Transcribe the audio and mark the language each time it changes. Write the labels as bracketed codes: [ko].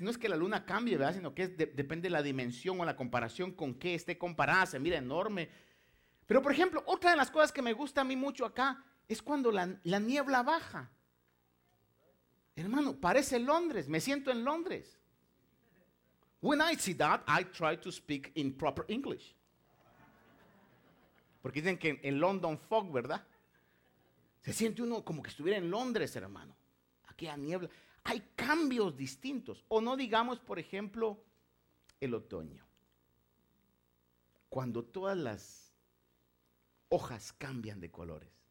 [es] No es que la luna cambie, ¿verdad? Sino que depende de la dimensión o la comparación con qué esté comparada. Se mira enorme. Pero por ejemplo, otra de las cosas que me gusta a mí mucho acá es cuando la niebla baja. Hermano, parece Londres, me siento en Londres. [en] When I see that, I try to speak in proper English. [es] Porque dicen que en London fog, ¿verdad? Se siente uno como que estuviera en Londres, hermano. Aquella niebla. Hay cambios distintos. O no digamos, por ejemplo, el otoño. Cuando todas las hojas cambian de colores.